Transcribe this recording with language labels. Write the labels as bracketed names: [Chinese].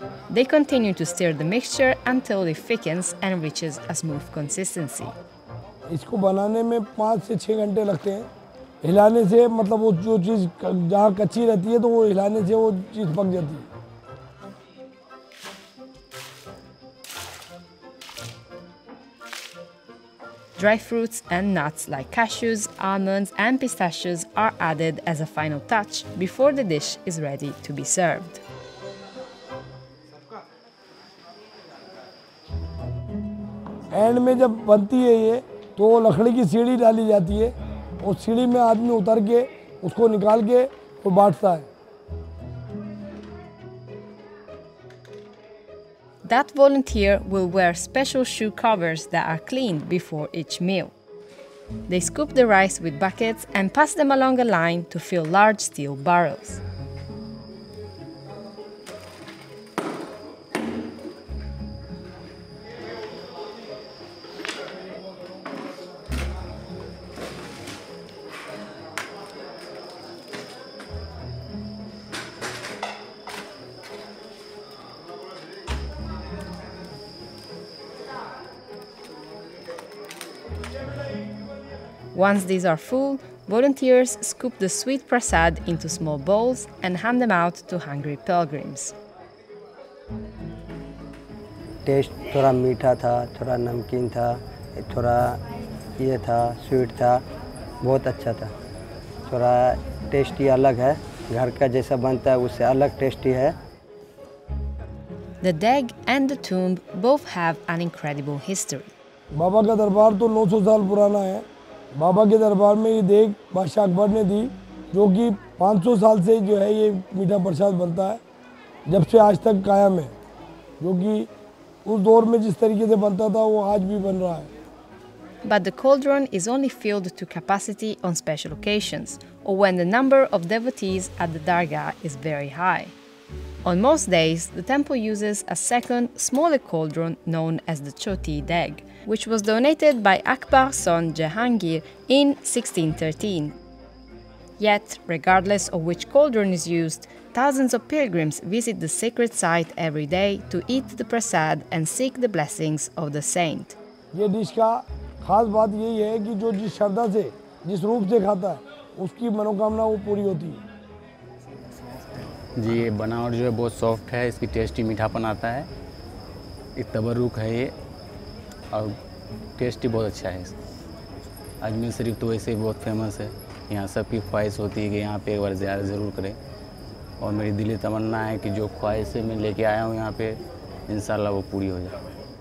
[English] They continue to stir the mixture until it thickens and reaches a smooth consistency. [Hindi] इसको बनाने में 5 से 6 घंटे लगते हैं। हिलाने से मतलब वो जो चीज जहाँ कच्ची रहती है तो वो हिलाने से वो चीज पक जाती है। [English] Dry fruits and nuts like cashews, almonds, and pistachios are added as a final touch before the dish is ready to be served. [Hindi] And में जब बनती है ये तो लकड़ी की सीढ़ी डाली जाती है और सीढ़ी में आदमी उतर के उसको निकाल के वो बांटता है [English] That volunteer will wear special shoe covers that are cleaned before each meal. They scoop the rice with buckets and pass them along a line to fill large steel barrels. Once these are full, volunteers scoop the sweet prasad into small bowls and hand them out to hungry pilgrims. [Hindi] Taste थोड़ा मीठा था, थोड़ा नमकीन था, थोड़ा ये था, sweet था, बहुत अच्छा था. थोड़ा टेस्टी अलग है, घर का जैसा बनता है उससे अलग टेस्टी है. [English] The deg and the tomb both have an incredible history. [Hindi] Baba ka darbar to 900 saal purana hai. बाबा के दरबार में ये देग बादशाह अकबर ने दी जो कि 500 साल से जो है ये मीठा प्रसाद बनता है जब से आज तक कायम है जो कि उस दौर में जिस तरीके से बनता था वो आज भी बन रहा है [English] But the cauldron is only filled to capacity on special occasions or when the number of devotees at the dargah is very high On most days the temple uses a second smaller cauldron known as the choti deg which was donated by Akbar's son Jahangir in 1613. Yet, regardless of which cauldron is used, thousands of pilgrims visit the sacred site every day to eat the prasad and seek the blessings of the saint. [Hindi] ये dish का खास बात यही है कि जो जिस श्रद्धा से, जिस रूप से खाता है, उसकी मनोकामना वो पूरी होती है। जी ये बनावट जो है बहुत सॉफ्ट है, इसकी टेस्टी मीठापन आता है, ये तबरुक है ये और टेस्टी बहुत अच्छा है अजमेर शरीफ तो वैसे ही बहुत फेमस है यहाँ सबकी ख्वाहिश होती है कि यहाँ पे एक बार ज़्यारत ज़रूर करें और मेरी दिली तमन्ना है कि जो ख्वाहिश मैं लेके आया हूँ यहाँ पे इंशाल्लाह वो पूरी हो जाए